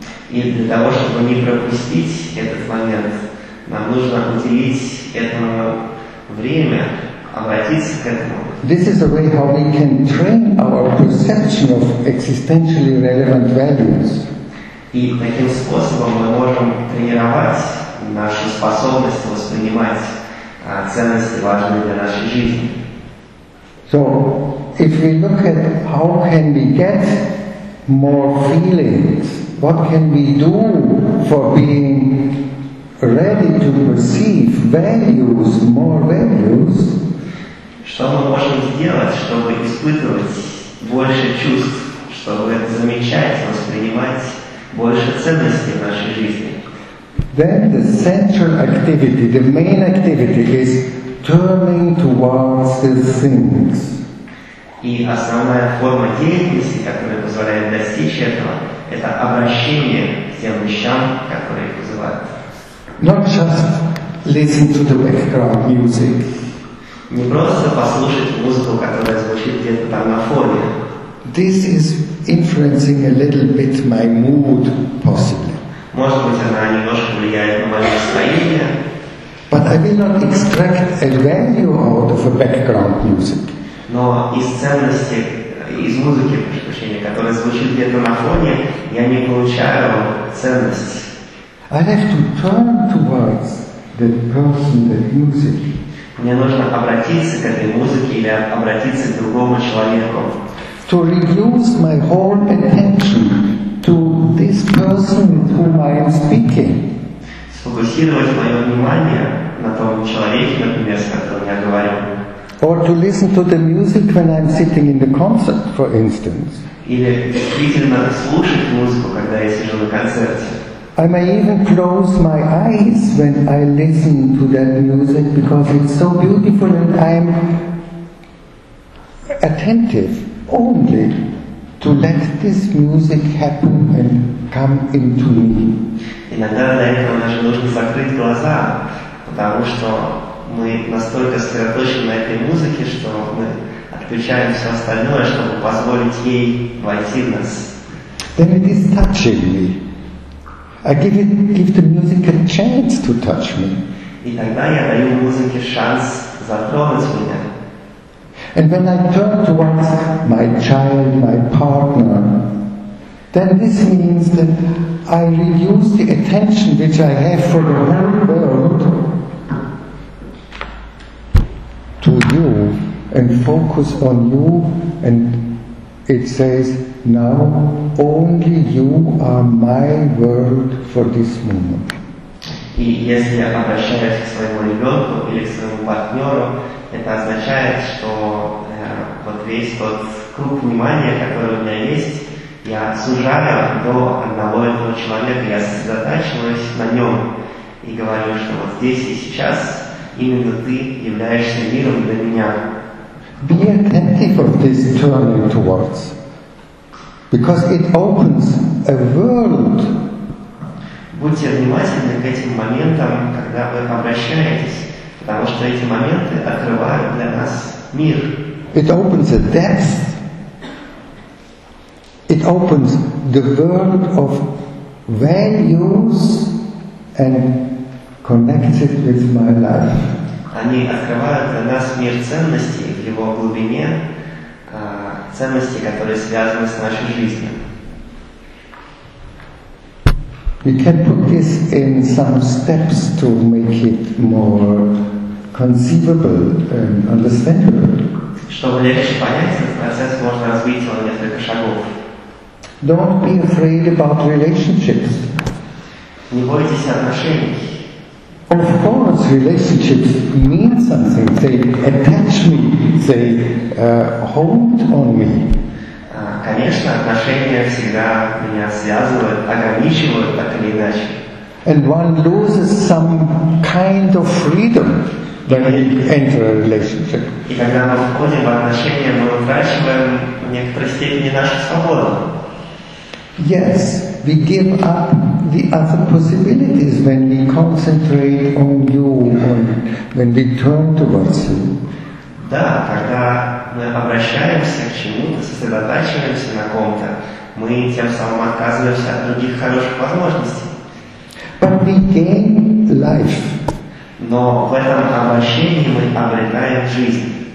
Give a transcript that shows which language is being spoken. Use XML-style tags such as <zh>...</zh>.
<ru>И для того, чтобы не пропустить этот момент, нам нужно уделить этому время, обратиться к этому.</ru> <en>This is a way how we can train our perception of existentially relevant values.</en> <ru>И таким способом мы можем тренировать нашу способность воспринимать ценности, важные для нашей жизни.</ru> <en>So, if we look at how can we get more feelings, what can we do for being ready to perceive values, more values?</en> <ru>Что мы можем сделать, чтобы испытывать больше чувств, чтобы замечать, воспринимать больше ценностей в нашей жизни?</ru> <en>Then the central activity, the main activity is turning towards the things.</en> <ru>И основная форма деятельности, которая позволяет достичь этого, это обращение к тем вещам, которые их вызывают.</ru> <en>Not just listen to the background music.</en> <ru>Не просто послушать музыку, которая звучит где-то там на фоне.</ru> <en>This is influencing a little bit my mood, possibly.</en> <ru>Может быть, она немножко влияет на мое настроение.</ru> <en>But I will not extract a value out of a background music.</en> <ru>Но из ценности, из музыки, прошу прощения, которая звучит где-то на фоне, я не получаю ценности.</ru> <en>I have to turn towards that person, that music.</en> <ru>Мне нужно обратиться к этой музыке или обратиться к другому человеку.</ru> <en>To reduce my whole attention to this person with whom I am speaking.</en> <ru>Сфокусировать мое внимание на том человеке, например, с которым я говорю.</ru> <en>Or to listen to the music when I'm sitting in the concert, for instance.</en> <ru>Или действительно слушать музыку, когда я сижу на концерте.</ru> <en>I may even close my eyes when I listen to that music because it's so beautiful and I'm attentive only to let this music happen and come into me.</en> <ru>Иногда для этого даже нужно закрыть глаза, потому что мы настолько сосредоточены на этой музыке, что мы отключаем все остальное, чтобы позволить ей войти в нас.</ru> <en>Then it is touching me. I give the music a chance to touch me.</en> <ru>И тогда я даю музыке шанс затронуть меня.</ru> <en>And when I turn towards my child, my partner, then this means that I reduce the attention which I have for the whole world to you and focus on you, and it says, now only you are my world for this moment.</en> <ru>И если я обращаюсь к своему ребенку или к своему партнеру, это означает, что вот весь тот круг внимания, который у меня есть, я сужаю до одного этого человека, я сосредотачиваюсь на нем и говорю, что вот здесь и сейчас именно ты являешься миром для меня.</ru> <en>Be attentive of this turning towards, because it opens a world.</en> <ru>Будьте внимательны к этим моментам, когда вы обращаетесь, потому что эти моменты открывают для нас мир.</ru> <en>It opens a depth. It opens the world of values and connects it with my life.</en> <ru>Они открывают для нас мир ценностей в его глубине, ценностей, которые связаны с нашей жизнью.</ru> <en>We can put this in some steps to make it more conceivable and understandable.</en> <ru>Чтобы легче понять этот процесс, можно развить его несколько шагов.</ru> <en>Don't be afraid about relationships.</en> <ru>Не бойтесь отношений.</ru> <en>Of course, relationships mean something. They attach me. They hold on me.</en> <ru>Конечно, отношения всегда меня связывают, ограничивают так или иначе.</ru> <en>And one loses some kind of freedom when we enter a relationship.</en> <ru>И когда мы входим в отношения, мы утрачиваем в некоторой степени нашу свободу.</ru> <en>Yes, we give up the other possibilities when we concentrate on you, on, when we turn towards you.</en> <ru>Да, когда мы обращаемся к чему-то, сосредотачиваемся на ком-то, мы тем самым отказываемся от других хороших возможностей.</ru> <en>But we gain life.</en> <ru>Но в этом обращении мы обретаем жизнь.</ru>